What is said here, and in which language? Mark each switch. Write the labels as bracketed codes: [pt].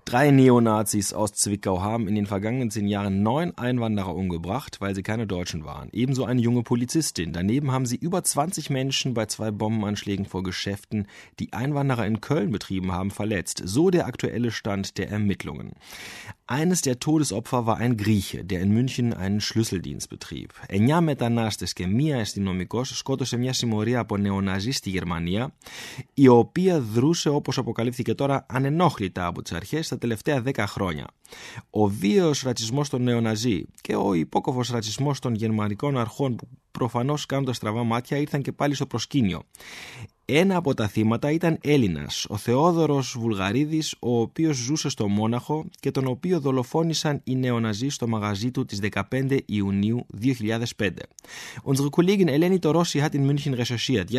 [de] Drei Neonazis aus Zwickau haben in den vergangenen 10 Jahren 9 Einwanderer umgebracht, weil sie keine Deutschen waren. Ebenso eine junge Polizistin. Daneben haben sie über 20 Menschen bei 2 Bombenanschlägen vor Geschäften, die Einwanderer in Köln betrieben haben, verletzt. So der aktuelle Stand der Ermittlungen. Eines der Todesopfer war ein Grieche, der in München einen Schlüsseldienst betrieb. [el] Εννιά μετανάστες και μία αστυνομικός σκότωσε μια συμμορία από νεοναζί στη Γερμανία, η οποία δρούσε, όπως αποκαλύφθηκε τώρα, ανενόχλητα από τις αρχές τα τελευταία 10 χρόνια. Ο βίαιος ρατσισμός των νεοναζί και ο υπόκοφος ρατσισμός των γερμανικών αρχών, που προφανώς κάνοντας στραβά μάτια, ήρθαν και πάλι στο προσκήνιο. Ένα από τα θύματα ήταν Έλληνας, ο Θεόδωρος Βουλγαρίδης, ο οποίος ζούσε στο Μόναχο και τον οποίο δολοφόνησαν οι νεοναζί στο μαγαζί του τις 15 Ιουνίου 2005. [de] Unsere Kollegin Eleni Torossi hat in München recherchiert.